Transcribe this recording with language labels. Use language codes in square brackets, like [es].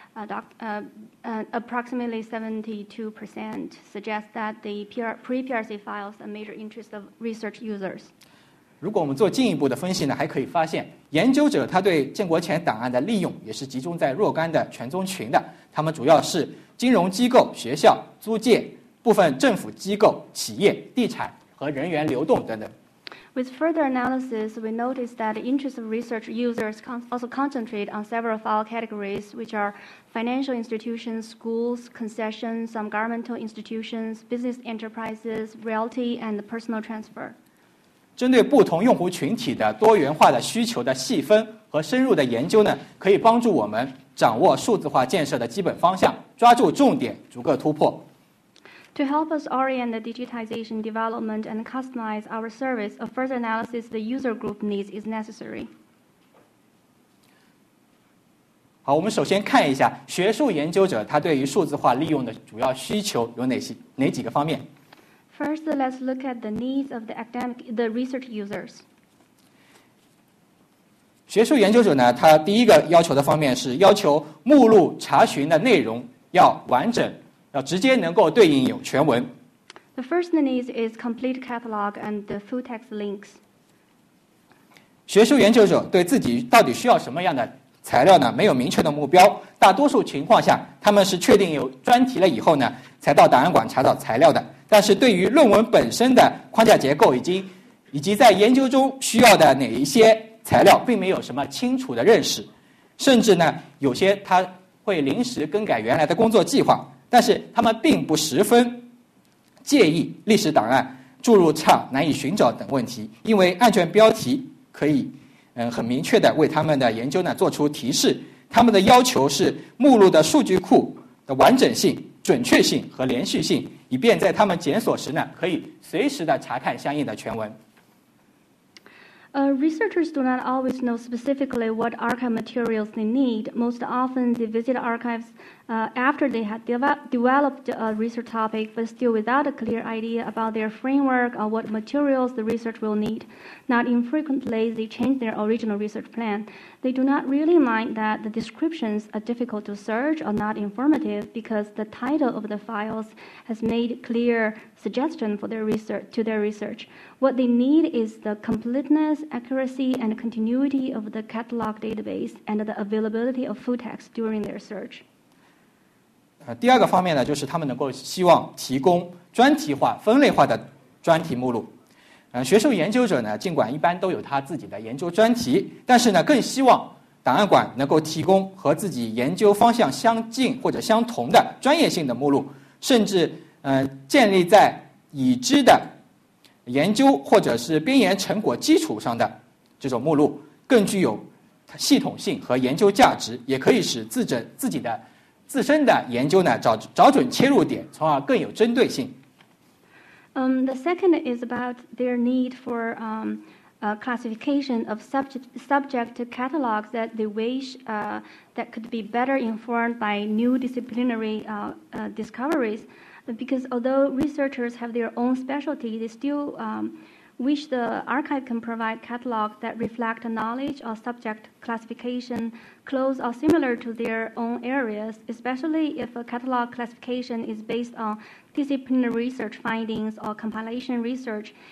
[en] Approximately 72% suggest that the pre-PRC files are major interest of research users. [zh] 如果我们做进一步的分析呢，还可以发现，研究者他对建国前档案的利用也是集中在若干的权重群的，他们主要是金融机构、学校、租界。部分政府机构、企业、地产和人员流动等等。 [en] With further analysis, we notice that the interest of research users also concentrate on several file categories, which are financial institutions, schools, concessions, some governmental institutions, business enterprises, realty, and personal transfer. [zh] 针对不同用户群体的多元化的需求的细分和深入的研究呢，可以帮助我们掌握数字化建设的基本方向，抓住重点，逐个突破。 [en] To help us orient the digitization development and customize our service, a further analysis of the user group needs is necessary. [zh] 好，我们首先看一下学术研究者他对于数字化利用的主要需求有哪几个方面。 [en] First, let's look at the needs of the research users. [zh] 学术研究者呢，他第一个要求的方面是要求目录查询的内容要完整。要直接能够对应有全文。 [en] The first need is complete catalog and the full text links. [zh] 学术研究者对自己到底需要什么样的材料呢？没有明确的目标，大多数情况下，他们是确定有专题了以后呢，才到档案馆查找材料的。但是对于论文本身的框架结构以及在研究中需要的哪一些材料，并没有什么清楚的认识，甚至呢，有些他会临时更改原来的工作计划，但是他们并不十分介意历史档案注入差、难以寻找等问题，因为案卷标题可以很明确的为他们的研究呢做出提示。他们的要求是目录的数据库的完整性、准确性和连续性，以便在他们检索时呢可以随时的查看相应的全文。 [en] Researchers do not always know specifically what archive materials they need. Most often, they visit archives after they had developed a research topic, but still without a clear idea about their framework or what materials the research will need. Not infrequently, they change their original research plan. They do not really mind that the descriptions are difficult to search or not informative because the title of the files has made clear suggestion for their research, to their research. What they need is the completeness, accuracy, and continuity of the catalog database and the availability of full text during their search. [zh] 第二个方面呢，就是他们能够希望提供专题化、分类化的专题目录。学术研究者呢，尽管一般都有他自己的研究专题，但是呢，更希望档案馆能够提供和自己研究方向相近或者相同的专业性的目录，甚至建立在已知的研究或者是编研成果基础上的这种目录，更具有系统性和研究价值，也可以使自己的自身的研究呢，找准切入点，从而更有针对性。 [en] The second is about their need for a classification of subject catalogs that they wish that could be better informed by new disciplinary discoveries. Because although researchers have their own specialty, they still wish the archive can provide catalogs that reflect knowledge or subject classification close or similar to their own areas, especially if a catalog classification is based on disciplinary research findings or compilation research.